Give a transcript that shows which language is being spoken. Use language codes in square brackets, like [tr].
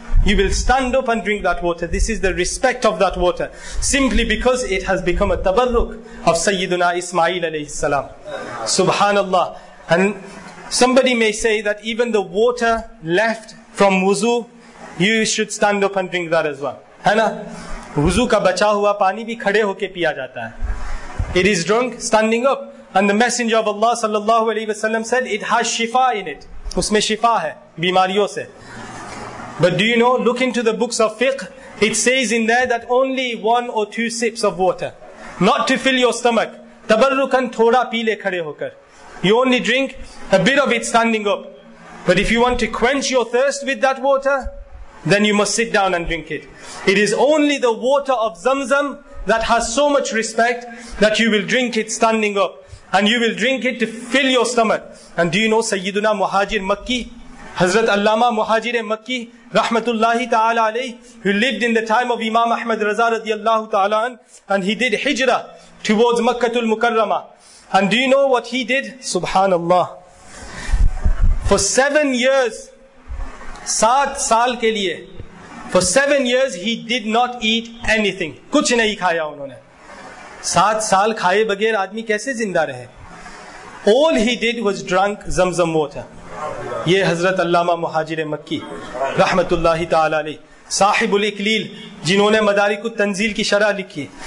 [en] You will stand up and drink that water. This is the respect of that water. Simply because it has become a tabarruk of Sayyiduna Ismail alayhi salam. Subhanallah. And somebody may say that even the water left from wuzu, you should stand up and drink that as well. Hana? [ur] وضو کا بچا ہوا پانی بھی کھڑے ہو کے پیا جاتا ہے۔ [en] It is drunk standing up. And the Messenger of Allah sallallahu alayhi wa sallam said, it has shifa in it. [ur] اس میں شفا ہے، بیماریوں سے۔ [en] But do you know, look into the books of fiqh, it says in there that only one or two sips of water. Not to fill your stomach. [ur] Tabarrukan thoda pile khade hokar. [en] You only drink a bit of it standing up. But if you want to quench your thirst with that water, then you must sit down and drink it. It is only the water of Zamzam that has so much respect that you will drink it standing up. And you will drink it to fill your stomach. And do you know Sayyiduna Muhajir Makki? Hazrat Allama Muhajir Makki, Rahmatullahi Ta'ala Alayhi, who lived in the time of Imam Ahmad Raza radiallahu ta'ala and he did hijrah towards Makkatul Mukarramah. And do you know what he did? Subhanallah. For 7 years, [ur] saat saal ke liye, [en] for 7 years he did not eat anything. [ur] کچھ نہیں کھایا انہوں نے۔ سات سال کھائے بغیر آدمی کیسے زندہ رہے؟ [en] All he did was drank Zamzam water. [ur] یہ حضرت علامہ مہاجر مکی، رحمۃ اللہ تعالیٰ علیہ، صاحب الاکلیل، جنہوں نے مدارک التنزیل کی شرح لکھی۔